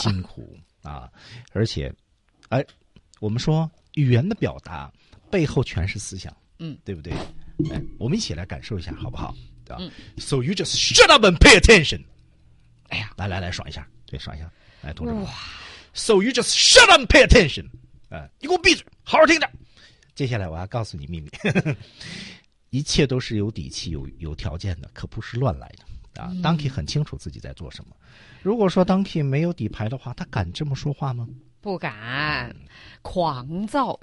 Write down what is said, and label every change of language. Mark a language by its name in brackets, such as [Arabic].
[Chinese] 辛苦啊！而且，哎，我们说语言的表达背后全是思想。对不对？哎，我们一起来感受一下好不好，对吧、 [English] So you just shut up and pay attention. [Chinese] 哎呀，来来来，爽一下，对，爽一下，来，同志们。 [English] So you just shut up and pay attention. [Chinese] 你给我闭嘴，好好听着。接下来我要告诉你秘密，一切都是有底气、有条件的，可不是乱来的。啊 ，Donkey 很清楚自己在做什么。如果说 Donkey 没有底牌的话，他敢这么说话吗？不敢，狂躁。